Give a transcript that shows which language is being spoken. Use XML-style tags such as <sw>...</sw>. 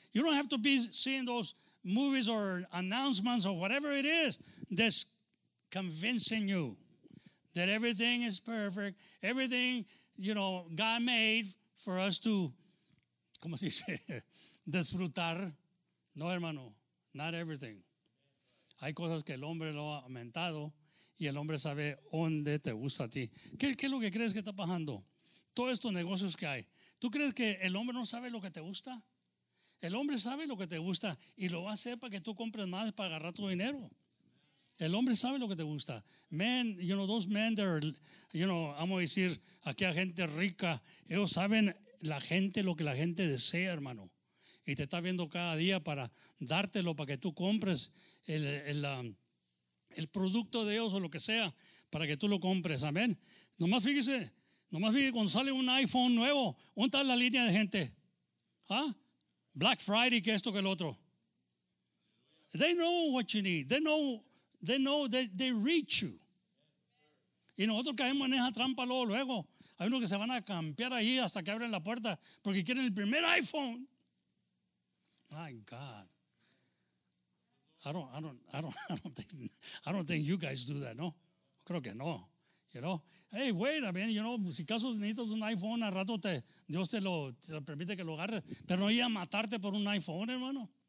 <en>You don't have to be seeing those movies or announcements or whatever it is that's convincing you that everything is perfect, everything, you know, God made for us to,</en> <es>¿cómo se dice? Disfrutar. No, hermano.</es> <en>Not everything.</en> <es>Hay cosas que el hombre lo ha aumentado y el hombre sabe dónde te gusta a ti. ¿Qué es lo que crees que está pasando? Todos estos negocios que hay. ¿Tú crees que el hombre no sabe lo que te gusta? El hombre sabe lo que te gusta y lo va a hacer para que tú compres más para agarrar tu dinero. El hombre sabe lo que te gusta.</es> <en>Men, you know, those men that are, you know,</en> <es>vamos a decir, aquí hay gente rica. Ellos saben la gente lo que la gente desea, hermano. Y te está viendo cada día para dártelo, para que tú compres el producto de Dios o lo que sea, para que tú lo compres. Amén. Nomás fíjese cuando sale un iPhone nuevo, ¿dónde está la línea de gente? ¿Ah? Black Friday, que esto, que el otro.</es> <en>They know what you need. They know, they reach you.</en> <es>Y nosotros caemos en esa trampa luego, luego. Hay unos que se van a campear ahí hasta que abren la puerta porque quieren el primer iPhone.</es> <en>My God. I don't think you guys do that, no.</en> <es>Creo que no.</es> <en>You know? Hey, wait a minute, you know,</en> <es>si caso necesitas un iPhone, al rato te, Dios te lo te permite que lo agarres, pero no iba a matarte por un iPhone, hermano.</es>